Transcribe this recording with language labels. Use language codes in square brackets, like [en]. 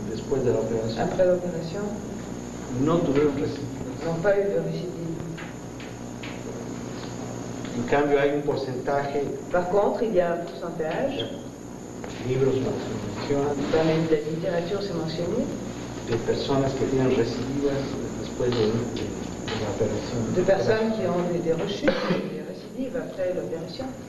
[es] después de la operación, [fr] après l'opération, [es] no tuvieron recidivas. [fr] N'ont pas eu de recidive. [es] En cambio, hay un porcentaje. [fr] Par contre, il y a un pourcentage. [es] Libros se mencionan. También la literatura se menciona. De personas que tienen recidivas después de la operación. De personas que han tenido rechutes, de recidivas después de la operación.